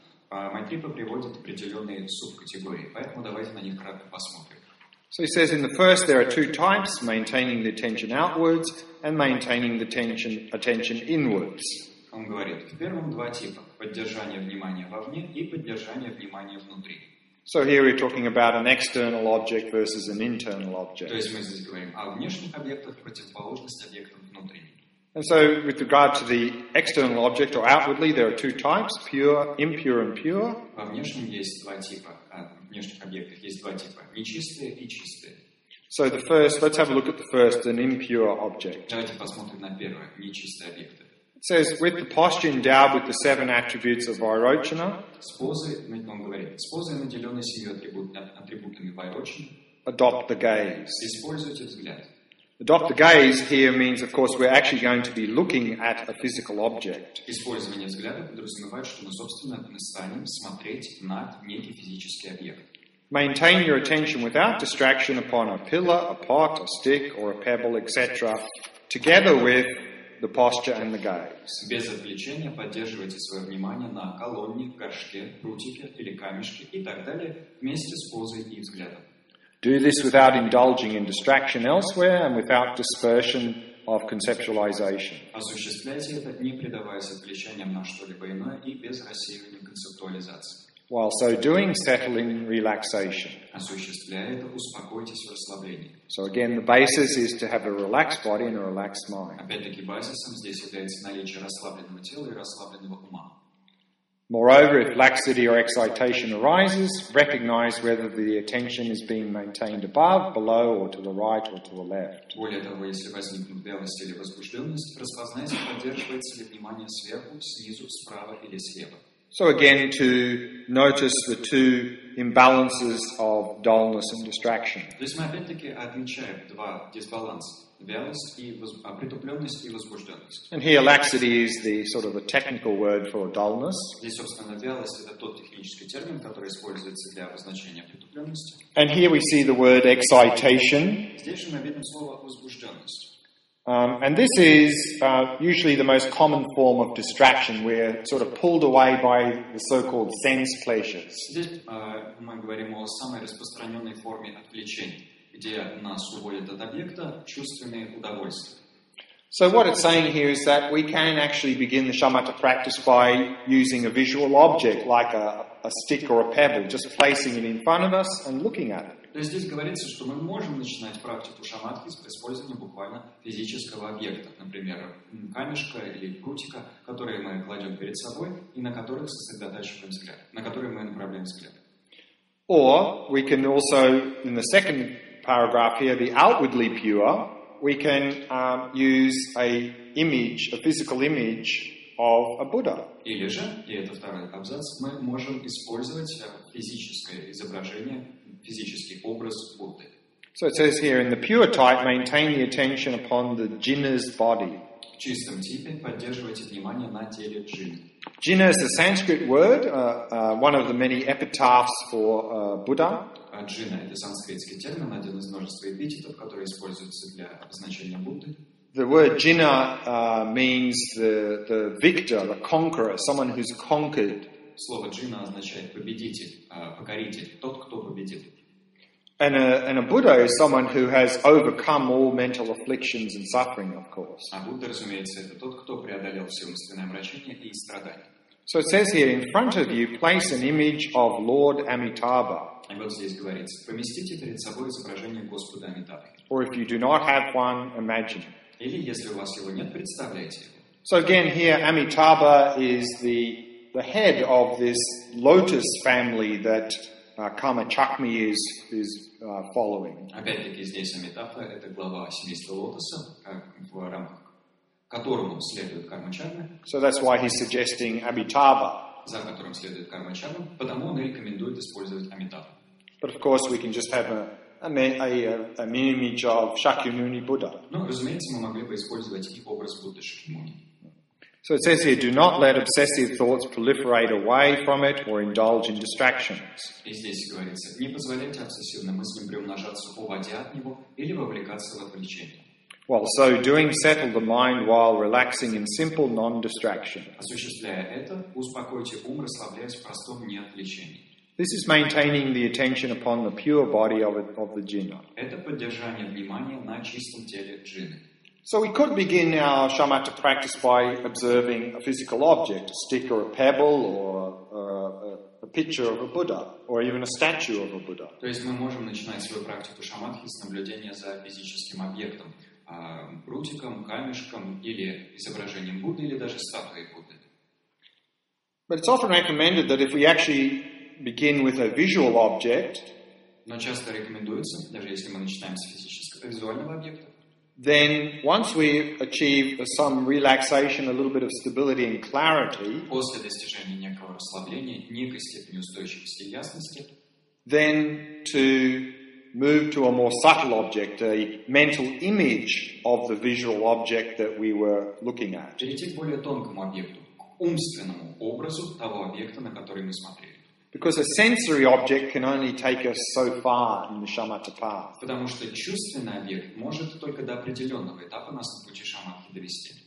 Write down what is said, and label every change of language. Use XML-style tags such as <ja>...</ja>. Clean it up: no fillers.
<ru>Майтрипа приводит определенные субкатегории, поэтому давайте на них кратко посмотрим.</ru> <en>So he says in the first there are two types, maintaining the attention outwards and maintaining the attention inwards.</en> <ru>Он говорит, в первом два типа, поддержание внимания вовне и поддержание внимания внутри.</ru> <en>So here we're talking about an external object versus an internal object.</en> <ru>То есть мы здесь говорим о внешних объектах, противоположность объектам внутри.</ru> <en>And so, with regard to the external object, or outwardly, there are two types, pure, impure, and pure.</en> <ru>Во внешнем есть два типа, в внешних объектах есть два типа, нечистые и чистые.</ru> <en>So the first, let's have a look at the first, an impure object.</en> <ru>Давайте посмотрим на первое, нечистые объекты.</ru> <en>It says, with the posture endowed with the seven attributes of Vairochana,</en> <ru>с позой, он говорит, с позой, наделенной семью атрибутами Vairochana,</ru> <en>adopt the gaze.</en> <ru>Используйте взгляд.</ru> <en>Adopt the gaze here means, of course, we're actually going to be looking at a physical object.</en> <ru>Использование взгляда подразумевает, что мы, собственно, станем смотреть на некий физический объект.</ru> <en>Maintain your attention without distraction upon a pillar, a pot, a stick, or a pebble, etc., together with the posture and the gaze.</en> <ru>Без отвлечения поддерживайте свое внимание на колонне, горшке, прутике или камешке и так далее вместе с позой и взглядом.</ru> <en>Do this without indulging in distraction elsewhere and without dispersion of conceptualization.</en> <ru>Осуществляйте это, не предаваясь отвлечениям на что-либо иное и без рассеивания концептуализации.</ru> <en>While so doing, settle in relaxation.</en> <ru>Осуществляя это, успокойтесь в расслаблении.</ru> <en>So again, the basis is to have a relaxed body and a relaxed mind.</en> <ru>Опять-таки, базисом здесь является наличие расслабленного тела и расслабленного ума.</ru> <en>Moreover, if laxity or excitation arises, recognize whether the attention is being maintained above, below, or to the right, or to the left.</en> <ru>Более того, если возникнут вялость или возбужденность, распознайте, поддерживается ли внимание сверху, снизу, справа или слева.</ru> <en>So again, to notice the two imbalances of dullness and distraction.</en> <ru>Здесь мы опять-таки отмечаем два дисбаланса. Притупленность и возбужденность.</ru> <en>And here laxity is the sort of a technical word for dullness.</en> <ru>Здесь, собственно, вялость это тот технический термин, который используется для обозначения притупленности.</ru> <en>And here we see the word excitation.</en> <ru>Здесь же мы видим слово возбужденность.</ru> <en>And this is usually the most common form of distraction. We're sort of pulled away by the so-called sense pleasures.</en> <ru>Здесь мы говорим о самой распространенной форме отвлечения. Где нас уводят от объекта чувственные удовольствия.</ru> <en>So what it's saying here is that we can actually begin the shamatha practice by using a visual object, like a stick or a pebble, just placing it in front of us and looking at it.</en> <ru>То есть здесь говорится, что мы можем начинать практику шаматхи с использованием буквально физического объекта, например, камешка или прутика, которые мы кладем перед собой и на которых сосредотачиваем взгляд, на которые мы направляем взгляд.</ru> <en>Or we can also, in the second paragraph here, the outwardly pure, we can use a physical image of a Buddha.</en> <ru>Или же, и это второй абзац, мы можем использовать физическое изображение, физический образ Будды.</ru> <en>So it says here, in the pure type, maintain the attention upon the jinna's body.</en> <ru>В чистом типе поддерживайте внимание на теле джинны.</ru> <en>Jinna is a Sanskrit word, one of the many epitaphs for Buddha.</en> <ru>Джина – это санскритский термин, один из множества эпитетов, которые используются для обозначения Будды.</ru> <en>The word Jinna means the victor, the conqueror, someone who's conquered.</en> <ru>Слово Джина означает победитель, покоритель, тот, кто победил.</ru> <en>And a Buddha is someone who has overcome all mental afflictions and suffering, of course.</en> <ru>А Будда, разумеется, это тот, кто преодолел все умственные омрачения и страдания.</ru> <en>So it says here, in front of you, place an image of Lord Amitabha.</en> <ru>И вот здесь говорится, поместите перед собой изображение Господа Амитабхи.</ru> <en>Or if you do not have one, imagine.</en> <ru>Или если у вас его нет, представляйте его.</ru> <en>So again, here Amitabha is the head of this lotus family that Kamachakmi is following.</en> <ru>Опять-таки здесь Амитабха — это глава семейства лотоса, как в рамках которому следует Кармачакми.</ru> <en>So that's why he's suggesting Amitabha.</en> <ru>За которым следует Кармачакми, потому он и рекомендует использовать Амитабху.</ru> <en>But of course, we can just have a image of Shakyamuni Buddha.</en> <ru>Ну, разумеется, мы могли бы использовать и образ Будды Шакьямуни.</ru> <en>So it says here, do not let obsessive thoughts proliferate away from it or indulge in distractions.</en> <ru>И здесь говорится, не позволяйте обсессивным мыслям приумножаться, уводя от него или вовлекаться в отвлечение.</ru> <en>Well, so doing settle the mind while relaxing in simple non-distraction.</en> <ru>Осуществляя это, успокойте ум, расслабляясь в простом неотвлечении.</ru> <en>This is maintaining the attention upon the pure body of the jhana.</en> <ru>Это поддержание внимания на чистом теле джины.</ru> <en>So we could begin our shamatha practice by observing a physical object, a stick or a pebble or a picture of a Buddha or even a statue of a Buddha.</en> <ru>То есть мы можем начинать свою практику шамадхи с наблюдения за физическим объектом, прутиком, камешком или изображением Будды или даже статуей Будды.</ru> <en>But it's often recommended that if we actually begin with a visual object,</en> <ru>но часто рекомендуется, даже если мы начинаем с физического визуального объекта,</ru> <en>then once we achieve some relaxation, a little bit of stability and clarity,</en> <ru>после достижения некого расслабления, некой степени устойчивости и ясности,</ru> <en>then to move to a more subtle object, a mental image of the visual object that we were looking at.</en> <ru>Перейти к более тонкому объекту, к умственному образу того объекта, на который мы смотрели.</ru> <en>Because a sensory object can only take us so far in the shamatha path.</en> <ru>Потому что чувственный объект может только до определенного этапа нас на пути шамадхи довести.</ru>